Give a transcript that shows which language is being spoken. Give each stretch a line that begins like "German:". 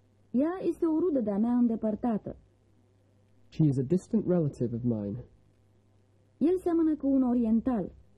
Romanian: Ea este o rudă de-a mea îndepărtată.
English: She is a distant relative of mine.
Romanian: El seamănă cu un oriental.